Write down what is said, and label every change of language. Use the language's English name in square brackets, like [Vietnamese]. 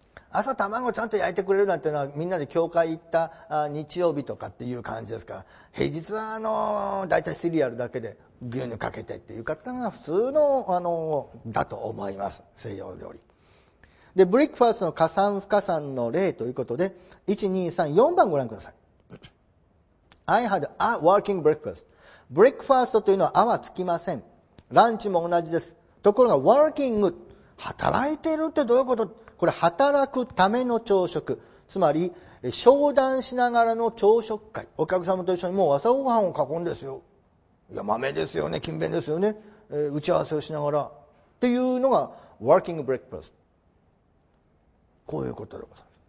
[Japanese] 朝卵ちゃんと焼いてくれるなんていうのはみんなで教会行った日曜日とかっていう感じですから、平日はだいたいシリアルだけで牛乳かけてっていう方が普通のだと思います、西洋料理で。ブレックファーストの加算不加算の例ということで、1,2,3,4 番ご覧ください。 [English] I had a working breakfast。 [Japanese] ブレックファーストというのはあはつきません。ランチも同じです。ところが working、 働いてるってどういうこと。これ働くための朝食、つまり商談しながらの朝食会、お客様と一緒にもう朝ごはんを囲んですよ、いや豆ですよね、勤勉ですよね、打ち合わせをしながらっていうのが working breakfast、こういうことでございます。